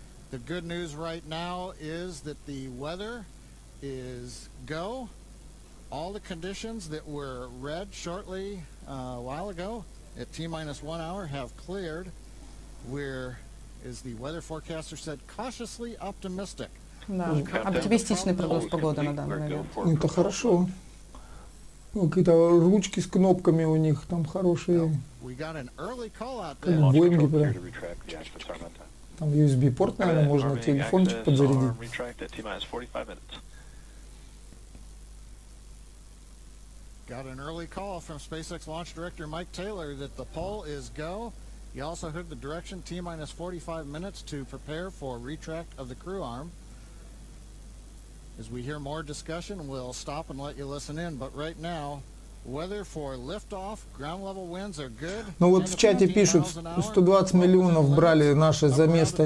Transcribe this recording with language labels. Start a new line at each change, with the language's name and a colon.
English: The good news right now is that the weather is go. All the conditions that were red shortly while ago at T-minus 1 hour have cleared. We're, as the weather forecaster said, cautiously optimistic.
Russian: Да, оптимистичный прогноз погоды на данный момент. Это хорошо. Какие-то ручки с кнопками у них там хорошие. Как в Боинге, там USB-порт, наверное, можно телефончик подзарядить.
English: You also heard the direction T-minus 45 minutes to prepare for retract of the crew arm. As we hear more discussion, we'll stop and let you listen in. But right now, weather for liftoff, ground level winds are good.
Russian: Ну вот в чате пишут, 120 миллионов брали наши за место.